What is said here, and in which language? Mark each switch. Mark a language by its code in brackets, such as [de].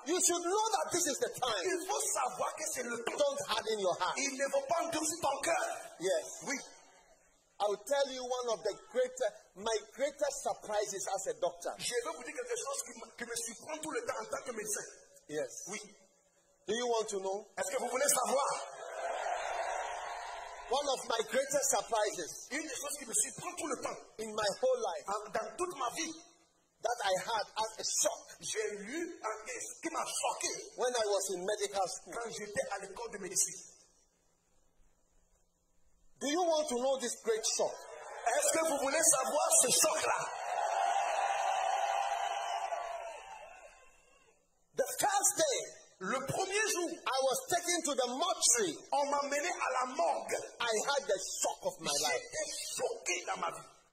[en] You should know that this is the time. [fr] Il faut savoir que c'est le temps. [en] Don't harden in your heart. [fr] Il ne faut pas endurcir ton cœur. [en] Yes. [fr] Oui. [en] I will tell you one of the my greatest surprises as a doctor. [fr] Je vais vous dire quelque chose qui me surprend tout le temps en tant que médecin. [en] Yes. [fr] Oui. [en] Do you want to know? [fr] Est-ce que vous voulez savoir? [en] One of my greatest surprises. [fr] Une des choses qui me surprend tout le temps. [en] In my whole life. [fr] Dans toute ma vie. [en] That I had as a shock. [fr] J'ai eu un qui m'a choqué. [en] When I was in medical school. [fr] Quand j'étais à l'école de médecine. [en] Do you want to know this great shock? [fr] Est-ce que vous voulez savoir ce choc-là? [en] The first day, [fr] le premier jour, [en] I was taken to the mortuary. [fr] On m'a mené à la morgue. [en] I had the shock of my life. [fr] J'étais choqué dans ma vie.